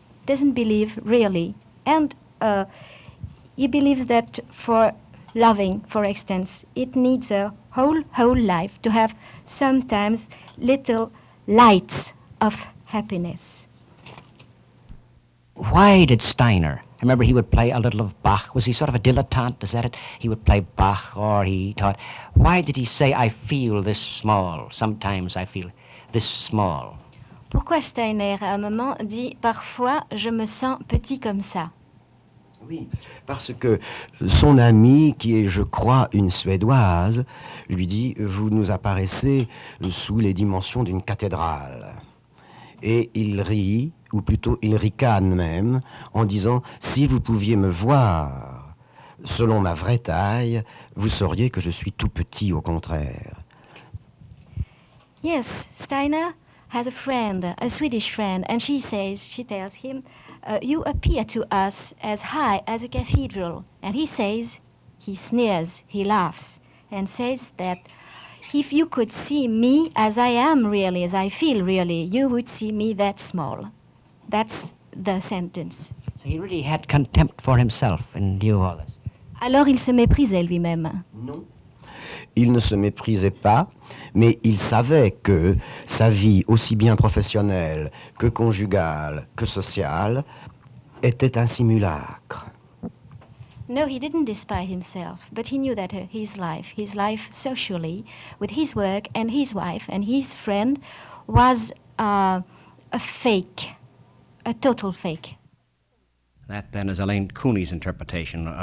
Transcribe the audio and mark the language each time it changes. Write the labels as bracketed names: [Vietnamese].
[English] Doesn't believe really, and he believes that for loving, for instance, it needs a whole life to have sometimes little lights of happiness. Why did Steiner? Remember, he would play a little of Bach. Was he sort of a dilettante? Is that it? He would play Bach, or he taught. Why did he say, "I feel this small"? Sometimes I feel this small. [French] Pourquoi Steiner, à un moment, dit « Parfois, je me sens petit comme ça ». Oui, parce que son amie, qui est, je crois, une Suédoise, lui dit « Vous nous apparaissez sous les dimensions d'une cathédrale ». Et il rit, ou plutôt il ricane même, en disant « Si vous pouviez me voir selon ma vraie taille, vous sauriez que je suis tout petit au contraire ». [English] Yes, Steiner has a friend, a Swedish friend, and she tells him, you appear to us as high as a cathedral. And he says, he sneers, he laughs, and says that if you could see me as I am really, as I feel really, you would see me that small. That's the sentence. So he really had contempt for himself in view of all this. [French] Alors il se méprisait lui-même. Non. Il ne se méprisait pas, mais il savait que sa vie, aussi bien professionnelle que conjugale que sociale, était un simulacre. [English] No, he didn't despise himself, but he knew that his life socially, with his work and his wife and his friend, was a fake, a total fake. That then is Alain Cooney's interpretation.